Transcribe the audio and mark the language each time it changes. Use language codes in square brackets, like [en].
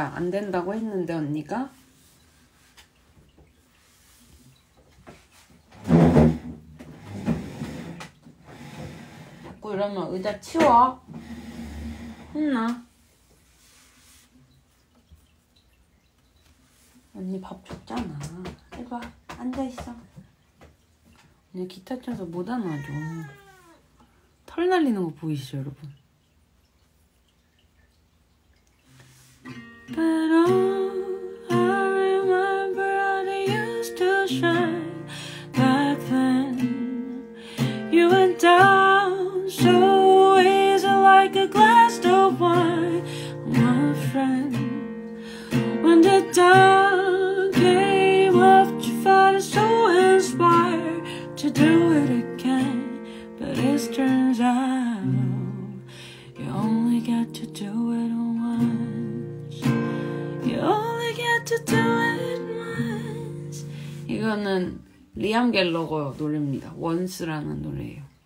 [ko] 된다고 했는데 언니가 자꾸 이러면 의자 치워 혼나. 언니 밥 줬잖아. 이봐 앉아있어. 언니 기타 쳐서 못 안아줘. 털 날리는 거 보이시죠 여러분? [en] But all I remember I used to shine back then. You went down so easy like a glass of wine, my friend. When the dark came up, you felt so inspired to do it again. But it turns out you only got to do it once. You only get to do it once. [ko] 이거는 리암 갤러거 노래입니다. Once라는 노래예요.